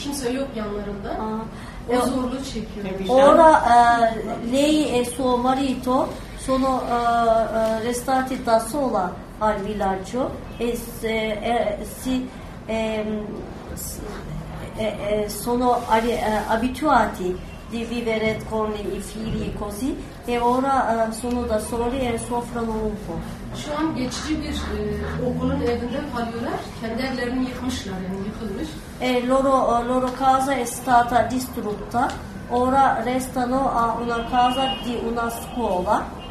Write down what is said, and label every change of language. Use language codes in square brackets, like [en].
[tr] Kimse yok yanlarında. O zorluğu çekiyor. [it] Ora lei e suo marito sono restati da sola al villaggio e sono abituati di vivere con i figli così e ora sono da soli e soffrono un po'. [tr] Şu an geçici bir okulun evinde kalıyorlar. Kendi evlerini yıkmışlar yani yıkılmış. [it] Loro casa è stata distrutta. Ora restano a una casa di una scuola.